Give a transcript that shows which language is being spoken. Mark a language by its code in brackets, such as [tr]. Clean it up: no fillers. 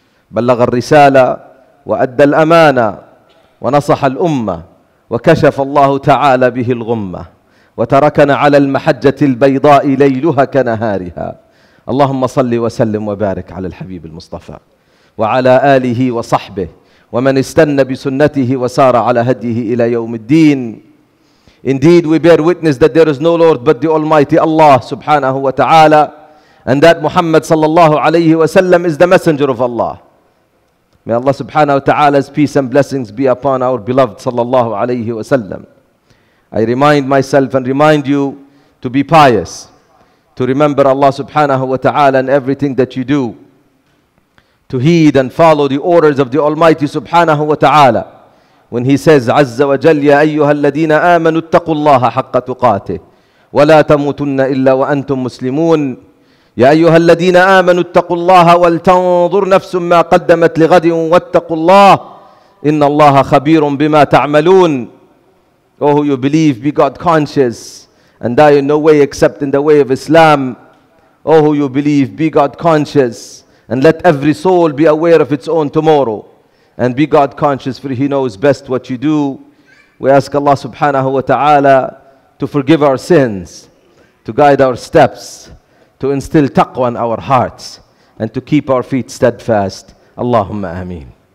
[ar] بلغ الرسالة وأدى الأمانة ونصح الأمة وكشف الله تعالى به الغمة وتركنا على المحجة البيضاء ليلها كنهارها اللهم صل وسلم وبارك على الحبيب المصطفى وعلى آله وصحبه ومن استنى بسنته وسار على هديه إلى يوم الدين. [en] Indeed, we bear witness that there is no Lord but the Almighty Allah subhanahu wa ta'ala, and that Muhammad sallallahu alayhi wa sallam is the messenger of Allah. May Allah subhanahu wa ta'ala's peace and blessings be upon our beloved sallallahu alayhi wa sallam. I remind myself and remind you to be pious, to remember Allah subhanahu wa ta'ala in everything that you do, to heed and follow the orders of the Almighty subhanahu wa ta'ala. When he says, [ar] عز وجل يا أيها الذين آمنوا اتقوا الله حق تقاته ولا تموتن إلا وأنتم مسلمون. يا أيها الذين آمنوا اتقوا الله ولتنظر نفس ما قدمت لغد واتقوا الله إن الله خبير بما تعملون. [en] Oh, who you believe, be God conscious and die in no way except in the way of Islam. Oh, who you believe, be God conscious and let every soul be aware of its own tomorrow. And be God conscious, for He knows best what you do. We ask Allah subhanahu wa ta'ala to forgive our sins, to guide our steps, to instill taqwa in our hearts, and to keep our feet steadfast. Allahumma ameen.